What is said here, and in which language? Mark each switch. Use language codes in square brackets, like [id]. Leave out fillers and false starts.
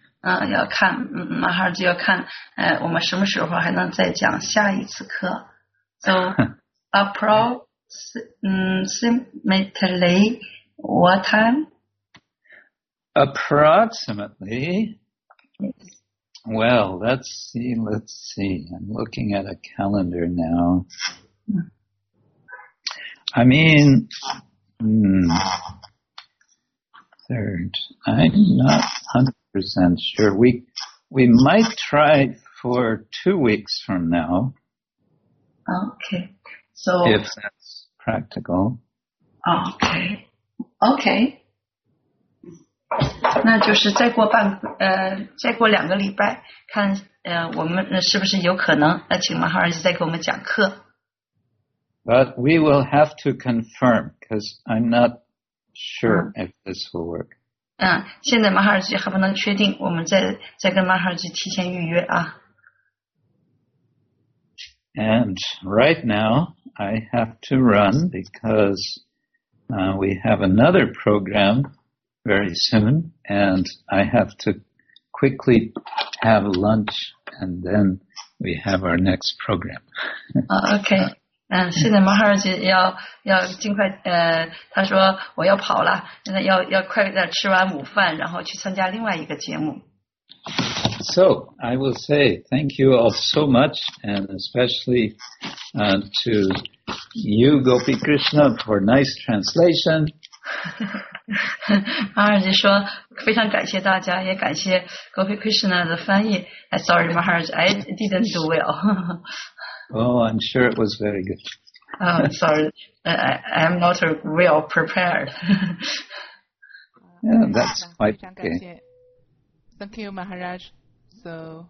[zh] 要看，Maharaji 要看，我们什么时候还能再讲下一次课。 [en] So approximately what time? Approximately. Well, let's see. I'm looking at a calendar now. I mean, third. I'm not 100% sure. We might try for 2 weeks from now. Okay. So, if that's practical. Okay. [zh] 那就是再过半再过两个礼拜看我们是不是有可能那请马哈尔吉再给我们讲课。 [en] But we will have to confirm, because I'm not sure if this will work. [zh] 现在马哈尔吉还不能确定我们再跟马哈尔吉提前预约啊。 [en] And right now, I have to run because we have another program very soon, and I have to quickly have lunch, and then we have our next program. Okay. [zh] 现在马哈尔吉要尽快他说我要跑了，现在要快点吃完午饭，然后去参加另外一个节目。 [en] So, I will say thank you all so much, and especially to you, Gopi Krishna, for nice translation. [zh] 马哈尔吉说非常感谢大家，也感谢 Gopi Krishna 的翻译。 [en] Sorry, Maharaj, I didn't do well. Oh, I'm sure it was very good. sorry, I'm not well prepared. Yeah, that's quite okay. Thank you, Maharaj. So,